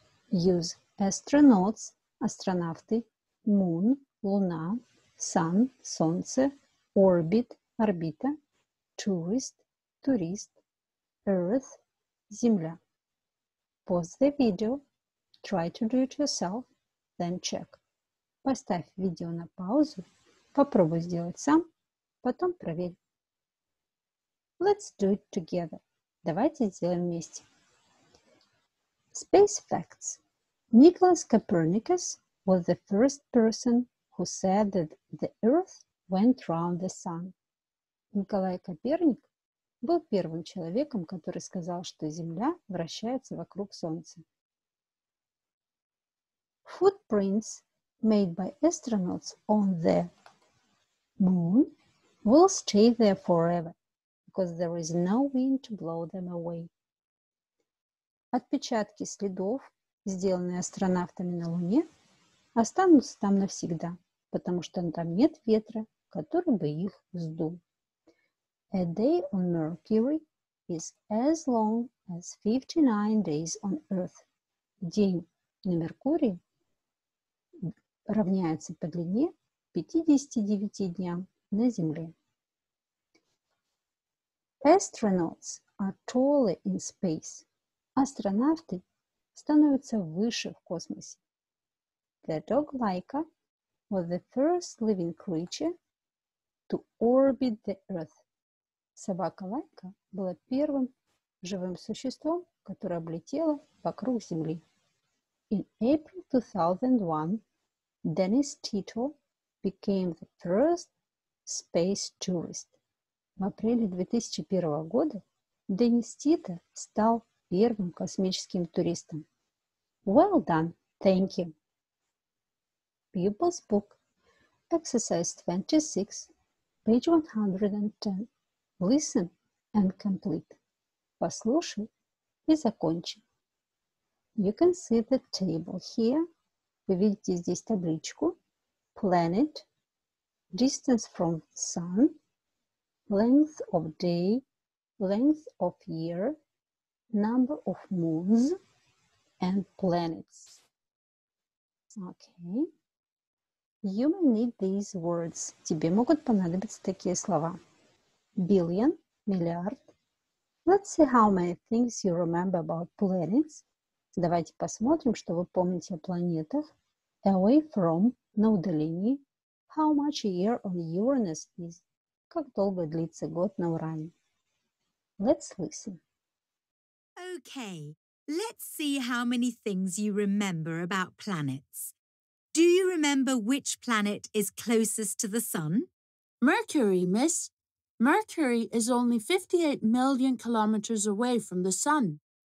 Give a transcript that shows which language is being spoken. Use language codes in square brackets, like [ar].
[en] Use astronauts, астронавты, moon, Луна, sun, солнце, orbit, орбита, tourist, турист, Earth, Земля. Pause the video. Try to do it yourself. Then check. [ru] Поставь видео на паузу. Попробуй сделать сам. Потом проверь. [en] Let's do it together. [ru] Давайте сделаем вместе. [en] Space facts. Nicholas Copernicus was the first person who said that the Earth went round the sun. [ru] Николай Коперник был первым человеком, который сказал, что Земля вращается вокруг Солнца. [en] Footprints made by astronauts on the moon will stay there forever, because there is no wind to blow them away. [ru] Отпечатки следов, сделанные астронавтами на Луне, останутся там навсегда, потому что там нет ветра, который бы их сдул. [en] A day on Mercury is as long as 59 days on Earth. [ru] День на Меркурии равняется по длине 59 дням на Земле. [en] Astronauts are taller in space. [ru] Астронавты становятся выше в космосе. [en] The dog Laika was the first living creature to orbit the Earth. [ru] Собака Лайка была первым живым существом, которое облетело вокруг Земли. [en] In April 2001, Dennis Tito became the first space tourist. [ru] В апреле 2001 года Деннис Тито стал первым космическим туристом. [en] Well done, thank you. Pupils book, exercise 26, page 110. Listen and complete. [ru] Послушай и закончи. [en] You can see the table here. [ru] Вы видите здесь табличку. [en] Planet. Distance from sun. Length of day. Length of year. Number of moons. And planets. Okay. You may need these words. [ru] Тебе могут понадобиться такие слова. [en] Billion, миллиард. Let's see how many things you remember about planets. [ru] Давайте посмотрим, что вы помните о планетах. [en] Away from, на удалении. How much a year on Uranus is. [ru] Как долго длится год на Уране. [en] Let's listen. Okay, let's see how many things you remember about planets. Do you remember which planet is closest to the sun? Mercury, miss. Mercury is only 58 million kilometers away from the Sun.